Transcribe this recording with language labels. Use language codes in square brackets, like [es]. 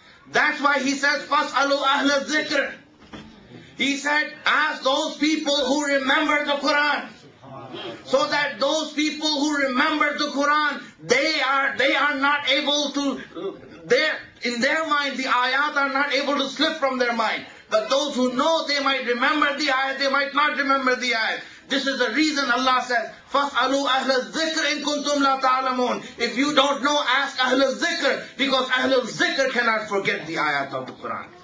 [en] That's why he says, [ar] fashalu ahlul dhikr. [en] He said, ask those people who remember the Quran. So that those people who remember the Quran, they are not able to, in their mind, the ayat are not able to slip from their mind. But those who know, they might remember the ayat, they might not remember the ayat. This is the reason Allah says, [ar] فَاسْأَلُوا أَهْلَ الذِّكْرِ إِن كُنْتُمْ لَا تَعْلَمُونَ. [en] If you don't know, ask [ar] أَهْلَ الذِّكْرِ, [en] because أَهْلَ الذِّكْرِ cannot forget the ayat of the Quran.